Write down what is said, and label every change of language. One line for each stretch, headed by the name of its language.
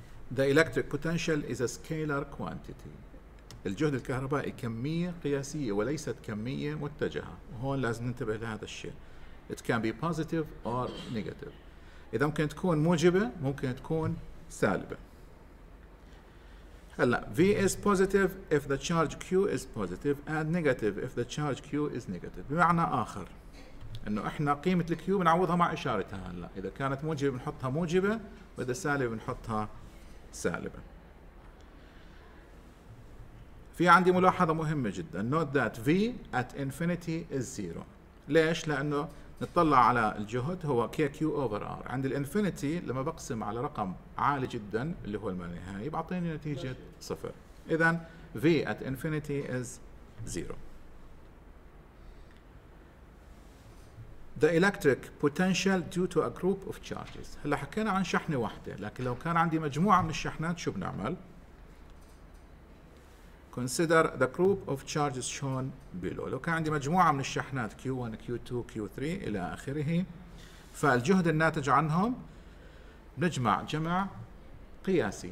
English: The electric potential is a scalar quantity.
Arabic: الجهد الكهربائي كمية قياسية وليست كمية متجهة. وهون لازم ننتبه لهذا الشيء.
English: It can be positive or negative.
Arabic: إذا ممكن تكون موجبة ممكن تكون سالبة.
English: هلا V is positive if the charge Q is positive and negative if the charge Q is negative.
Arabic: بمعنى آخر إنه إحنا قيمة الQ بنعوضها مع إشارتها. هلا إذا كانت موجبة بنحطها موجبة، وإذا سالبة بنحطها سالبة. في عندي ملاحظة مهمة جدا.
English: Note that V at infinity is zero.
Arabic: ليش؟ لأنه نطلع على الجهد هو KQ over R. عند الانفينيتي لما بقسم على رقم عالي جدا اللي هو المالنهاية بعطيني نتيجة صفر.
English: إذن V at infinity is zero. The electric potential due to a group of charges.
Arabic: هلا حكينا عن شحنة واحدة، لكن لو كان عندي مجموعة من الشحنات شو بنعمل؟
English: Consider the group of charges shown below.
Arabic: لو كان عندي مجموعة من الشحنات Q1, Q2, Q3 إلى آخره، فالجهد الناتج عنهم نجمع جمع قياسي.